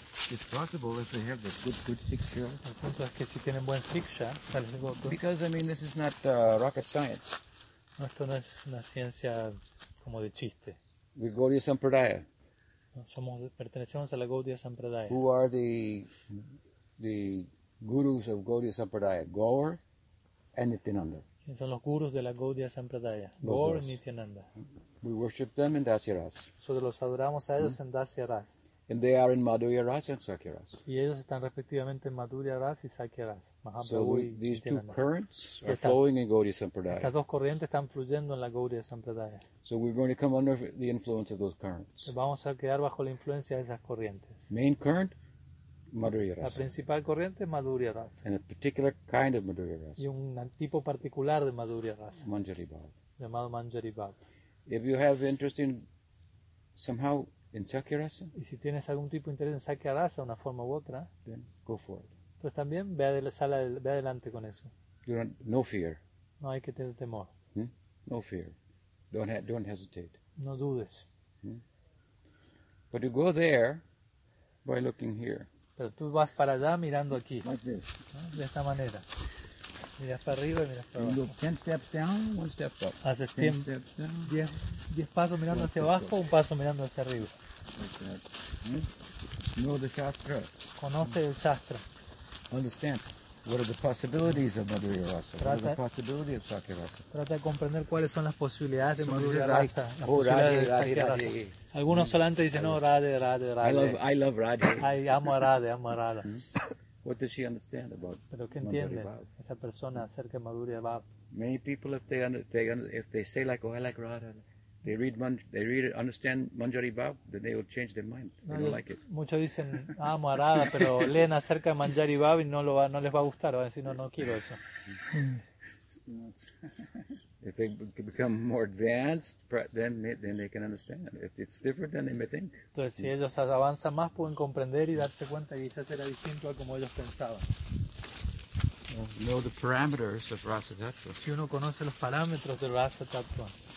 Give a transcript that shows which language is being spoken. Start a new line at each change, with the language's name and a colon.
English: It's possible if they have a good siksha.
Spanish: El punto es que si tienen buen siksha, tal vez lo tengan.
English: Because I mean this is not rocket science.
Spanish: No, esto no es una ciencia como de chiste.
English: The Gaudiya Sampradaya.
Spanish: Pertenecemos a la Gaudiya Sampradaya.
English: Who are the gurus of Gaudiya Sampradaya? Gaur and Nityananda.
Spanish: ¿Quiénes son los gurus de la Gaudiya Sampradaya? Gaur y Nityananda.
English: We worship them in Dasya Ras.
Spanish: Nosotros los adoramos a ellos en Dasya Ras.
English: And they are in Madhurya Ras and Sakya Ras.
Spanish: Y ellos están respectivamente en Madhurya Ras y Sakya Ras.
English: So these two currents are flowing in Gaudiya Sampradaya.
Spanish: Estas dos corrientes están fluyendo en la Gaudiya Sampradaya.
English: So we're going to come under the influence of those currents.
Spanish: Vamos a quedar bajo la influencia de esas corrientes.
English: Main current, Madhurya Ras.
Spanish: La principal corriente es Madhurya Ras.
English: And a particular kind of Madhurya Ras.
Spanish: Y un tipo particular de Madhurya Ras.
English: Manjari Bhav.
Spanish: Llamado Manjari Bhav.
English: If you have interest in somehow in Sakya Rasa,
Spanish: y si tienes algún tipo de interés en Sakya Rasa, una forma u otra,
English: then go for it.
Spanish: Entonces también ve adelante con eso.
English: No fear.
Spanish: No hay que tener temor.
English: No fear. Don't hesitate.
Spanish: No dudes.
English: But you go there by looking here.
Spanish: Pero tú vas para allá mirando aquí.
English: Like this.
Spanish: ¿No? De esta manera. Miras para arriba y miras para abajo.
English: You look 10 steps down, 1 step up.
Spanish: Haces 10 pasos mirando hacia abajo, un paso mirando hacia arriba.
English: Know the Shastra.
Spanish: Conoce el Shastra.
English: Understand. What are the possibilities of Madhurya Rasa? What are the possibilities of Sakya Rasa?
Spanish: Trata de comprender cuáles son las posibilidades de Madhurya Rasa. Oh, Radhe, Radhe, Radhe. Algunos solamente dicen, no, Radhe, Radhe, Radhe.
English: I love Radhe.
Spanish: Ay, amo a Radhe, amo a Radhe.
English: What does she understand about?
Spanish: Pero ¿qué entiende esa persona acerca de Madhurya Rasa?
English: Many people, if they say like, oh, I like Radhe, they understand Manjari Bab, then they will change their mind. They don't like it.
Spanish: Muchos dicen amo a Radha, pero leen acerca de Manjari Bab y no les va a gustar, van a decir no quiero eso.
English: If they become more advanced, then they can understand. If it's different, then they may think.
Spanish: Entonces, si ellos avanzan más, pueden comprender y darse cuenta que quizás era distinto a como ellos pensaban.
English: Know the parameters of Rasa Tattva.
Spanish: Si uno conoce los parámetros de Rasa Tattva,